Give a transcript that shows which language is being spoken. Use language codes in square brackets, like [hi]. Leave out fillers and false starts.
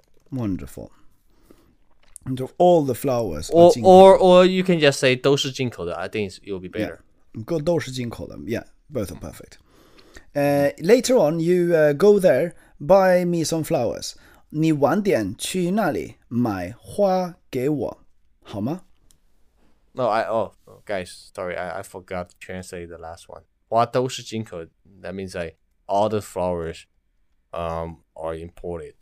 [en] Wonderful. And of all the flowers are 进口的. Or you can just say [zh] 都是进口的. [en] I think it'll be better. Yeah, [zh] 都是进口的. [en] Yeah, both are perfect. Later on, you go there, buy me some flowers. [zh] 你晚点去那里买花给我，好吗？ [en] No, guys, sorry, I forgot to translate the last one. [zh] 花都是进口, [en] that means like all the flowers are imported.